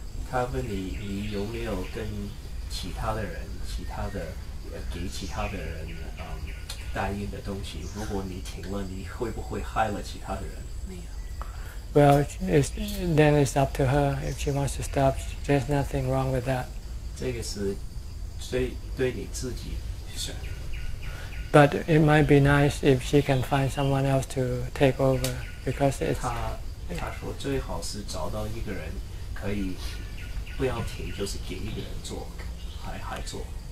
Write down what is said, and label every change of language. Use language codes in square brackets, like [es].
[zh] 她问你，你有没有跟其他的人，其他的，给其他的人？答应的东西，如果你停了，你会不会害了其他的人？没有。 [en] Well, then it's up to her. If she wants to stop, there's nothing wrong with that. [zh] 这个是对你自己选。 [en] But it might be nice if she can find someone else to take over because it's. [zh] 他说最好是找到一个人可以不要停，就是给一个人做，还做。